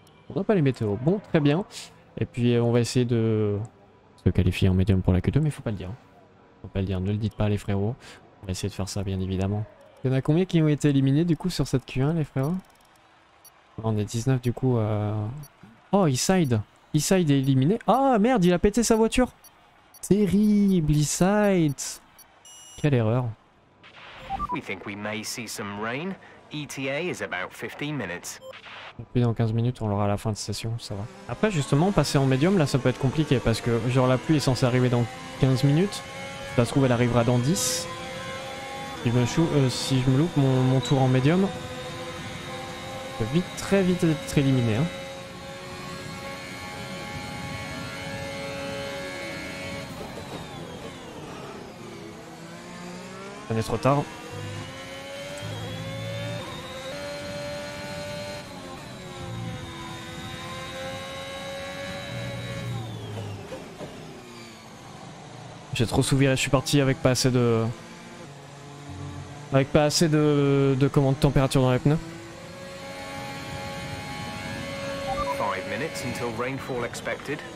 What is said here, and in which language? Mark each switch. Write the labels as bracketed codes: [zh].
[fr] On n'a pas les météos. Bon, très bien. Et puis on va essayer de se qualifier en médium pour la Q2, mais faut pas le dire. Ne le dites pas les frérots. On va essayer de faire ça bien évidemment. Il y en a combien qui ont été éliminés du coup sur cette Q1 les frérots? On est 19 du coup. Oh, Eastside. Eastside est éliminé. Ah merde, il a pété sa voiture. Terrible, Eastside. Quelle erreur. [en] We think we may see some rain. ETA is about 15 minutes. [fr] Et puis dans 15 minutes, on l'aura à la fin de session, ça va. Après justement, passer en médium, là ça peut être compliqué parce que genre la pluie est censée arriver dans 15 minutes. Ça se trouve, elle arrivera dans 10. Si je me loupe mon tour en médium, je peux vite, très vite être éliminé. Hein. On est trop tard. J'ai trop souviré, je suis parti avec pas assez de... Avec pas assez de commande température dans les pneus. [en] 5 minutes until rainfall expected.